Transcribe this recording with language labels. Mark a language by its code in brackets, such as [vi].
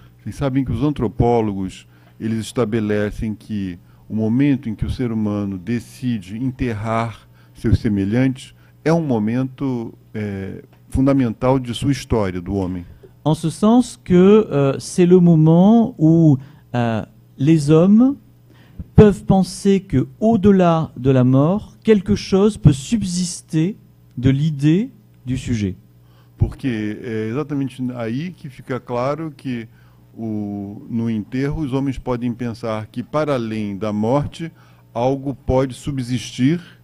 [pt] Vocês sabem que os antropólogos, eles estabelecem que o momento em que o ser humano decide enterrar seus semelhantes é um momento fundamental de sua história, do homem. [fr] En ce sens que c'est le moment où les hommes peuvent penser que au-delà de la mort, quelque chose peut subsister de l'idée du sujet. [pt] Porque é exatamente aí que fica claro que no enterro os homens podem pensar que para além da morte algo pode subsistir.